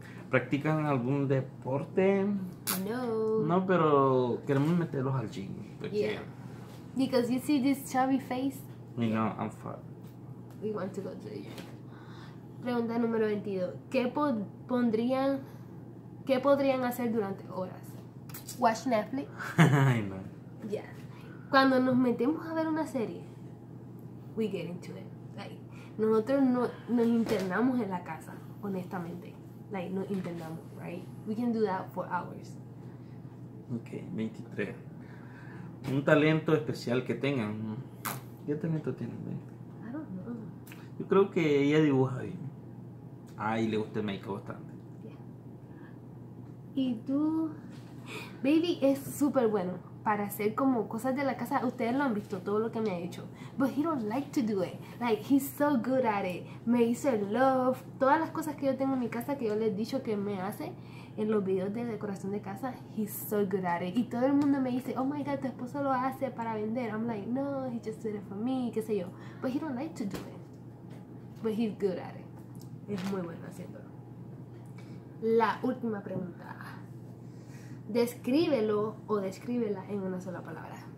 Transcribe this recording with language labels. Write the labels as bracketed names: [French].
[Spanish] ¿Practican algún deporte? No. No, pero queremos meterlos al gym. [English] Yeah. Because you see this chubby face? You know, I'm fat. We want to go to the gym. [Spanish] Pregunta número 22. ¿Qué pondrían... ¿Qué podrían hacer durante horas? [English] Watch Netflix. [Spanish] Ay, no. Yeah. Cuando nos metemos a ver una serie, [English] we get into it. Like, [Spanish] nosotros nos internamos en la casa, honestamente. [English] Like, [Spanish] nos internamos, [English] right? We can do that for hours. [Spanish] Ok, 23. Un talento especial que tengan. ¿Qué talento tienen? [English] I don't know. [Spanish] Yo creo que ella dibuja bien. Ay, le gusta el makeup bastante. Y tú, baby, es súper bueno para hacer como cosas de la casa. Ustedes lo han visto, todo lo que me ha hecho. [English] But he don't like to do it. Like, he's so good at it. [Spanish] Me hizo el love. Todas las cosas que yo tengo en mi casa que yo le he dicho que me hace en los videos de decoración de casa, [English] he's so good at it. [Spanish] Y todo el mundo me dice, [English] oh my God, [Spanish] tu esposo lo hace para vender. [English] I'm like, no, he just did it for me, [Spanish] qué sé yo. [English] But he don't like to do it. But he's good at it. [Spanish] Es muy bueno haciéndolo. La última pregunta. Descríbelo o descríbela en una sola palabra.